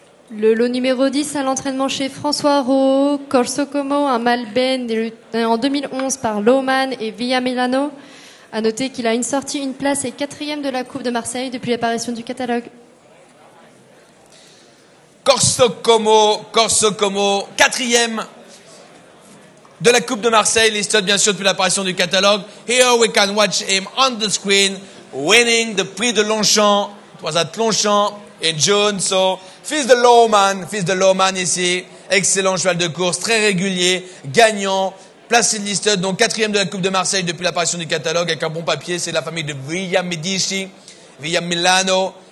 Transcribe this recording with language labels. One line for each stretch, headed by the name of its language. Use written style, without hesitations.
French: Le lot numéro 10 à l'entraînement chez François Rowe, Corso Como, un Malben en 2011 par Lohmann et Via Milano. A noter qu'il a une sortie, une place et quatrième de la Coupe de Marseille depuis l'apparition du catalogue. Corso Como, quatrième de la Coupe de Marseille, listed bien sûr depuis l'apparition du catalogue.
English: Here we can watch him on the screen, winning the Prix de Longchamp. It was at Longchamp in June, so
French: fils de Lohmann ici, excellent cheval de course, très régulier, gagnant, placé listed, donc quatrième de la Coupe de Marseille depuis l'apparition du catalogue, avec un bon papier, c'est la famille de Villa Medici, Villa Milano.